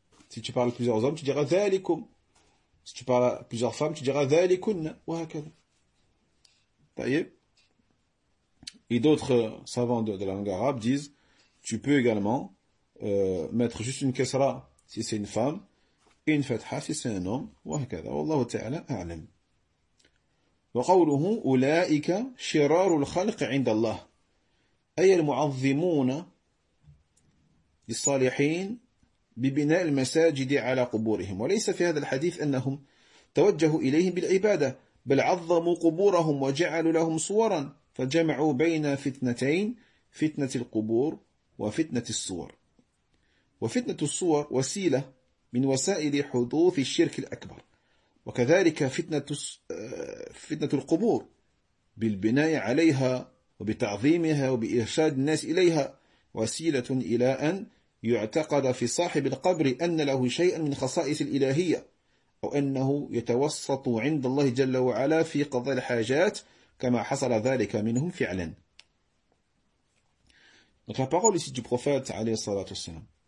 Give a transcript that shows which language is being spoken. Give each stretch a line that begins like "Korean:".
French: Si tu parles à plusieurs hommes, tu diras valikum. Si tu parles à plusieurs femmes, tu diras «
Arabic: ذَلِكُنَّ وَهَكَذَا
French: ». Taïeb. Et d'autres savants de la langue arabe disent, tu peux également mettre juste une kesra si c'est une femme, et une fatha si c'est un homme,
Arabic: وَهَكَذَا. وَاللَّهُ تَعَلَىٰ أَعْلَمْ. وَقَوْلُهُ أُولَٰئِكَ شِرَارُ الْخَلْقِ عِنْدَ اللَّهِ أَيَّ الْمُعَظِّمُونَ لِلصَّالِحِينَ ببناء المساجد على قبورهم وليس في هذا الحديث أنهم توجهوا إليهم بالعبادة بل عظموا قبورهم وجعلوا لهم صورا فجمعوا بين فتنتين فتنة القبور وفتنة الصور وفتنة الصور وسيلة من وسائل حدوث الشرك الأكبر وكذلك فتنة القبور بالبناء عليها وبتعظيمها وبإرشاد الناس إليها وسيلة إلى أن يعتقد في صاحب القبر أن له شيئا من خصائص الإلهية أو أنه يتوسط عند الله جل وعلا في قضاء الحاجات كما حصل ذلك منهم فعلا.
French: Donc la parole ici du prophète
Arabic: عليه الصلاة والسلام.